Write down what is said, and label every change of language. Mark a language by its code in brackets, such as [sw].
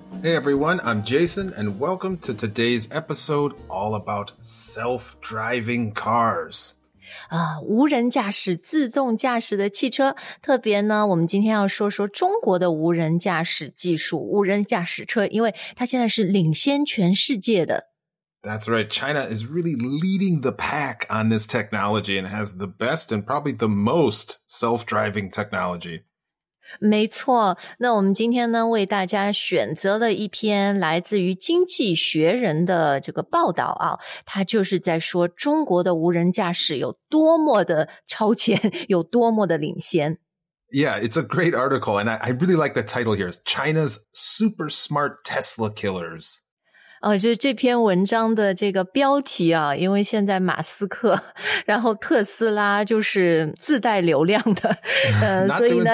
[en] Hey everyone, I'm Jason, and welcome to today's episode all about self-driving cars. [zh] 无人驾驶，自动驾驶的汽车，特别呢，我们今天要说说中国的无人驾驶技术，无人驾驶车，因为它现在是领先全世界的。 [en] That's right, China is really leading the pack on this technology and has the best and probably the most self-driving technology. [zh] 没错，那我们今天呢为大家选择了一篇来自于经济学人的这个报道啊，它就是在说中国的无人驾驶有多么的超前，有多么的领先。 [en] Yeah, it's a great article, and I really like the title here, China's Super Smart Tesla Killers. [zh] 就是这篇文章的这个标题啊，因为现在马斯克然后特斯拉就是自带流量的所以呢、